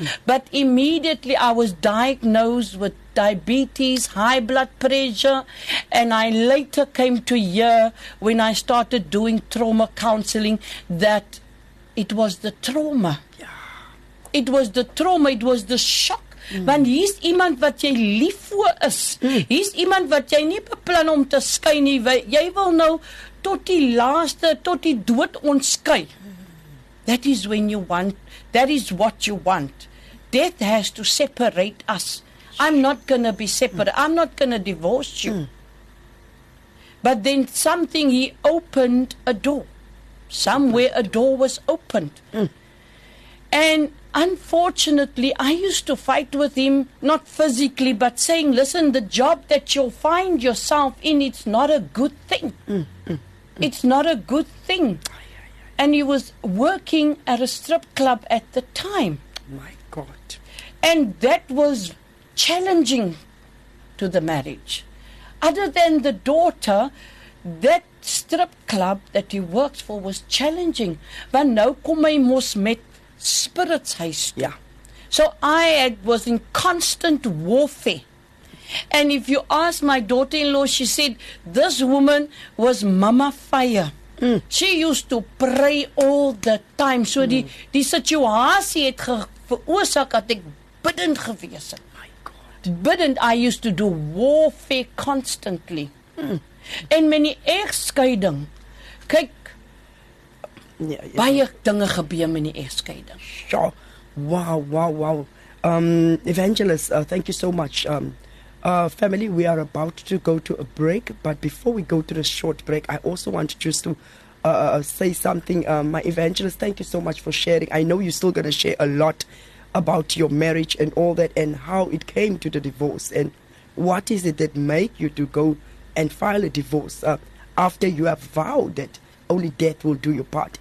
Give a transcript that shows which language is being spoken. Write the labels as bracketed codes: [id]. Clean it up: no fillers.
[en] But immediately I was diagnosed with diabetes, high blood pressure, and I later came to hear when I started doing trauma counseling that it was the trauma. Yeah. It was the trauma, it was the shock. [af] Want hier is iemand wat jy lief voor is. Hier is iemand wat jy nie beplan om te skei nie. Jy wil nou tot die laaste, tot die dood ontskei. [en] That is when you want, that is what you want. Death has to separate us. I'm not going to be separate. I'm not going to divorce you. But then something, he opened a door. Somewhere a door was opened. And unfortunately, I used to fight with him, not physically, but saying, listen, the job that you'll find yourself in, it's not a good thing. It's not a good thing. And he was working at a strip club at the time. My God. And that was challenging to the marriage. Other than the daughter, that strip club that he worked for was challenging. [af] Want nou kom hy mos met spirits huis toe. [en] Yeah. So I was in constant warfare. And if you ask my daughter-in-law, she said, this woman was Mama Fire. Mm. She used to pray all the time. [af] So mm. die situasie het veroorsaak dat ek biddend gewees het. [en] My God. Biddend, I used to do warfare constantly. Mm. [af] En met die egskeiding, kyk, baie dinge gebeur met die egskeiding. [en] Ja, wow. Evangelist, thank you so much. Family, we are about to go to a break, but before we go to the short break, I also want just to say something. My evangelist, thank you so much for sharing. I know you're still going to share a lot about your marriage and all that and how it came to the divorce and what is it that made you to go and file a divorce after you have vowed that only death will do your part.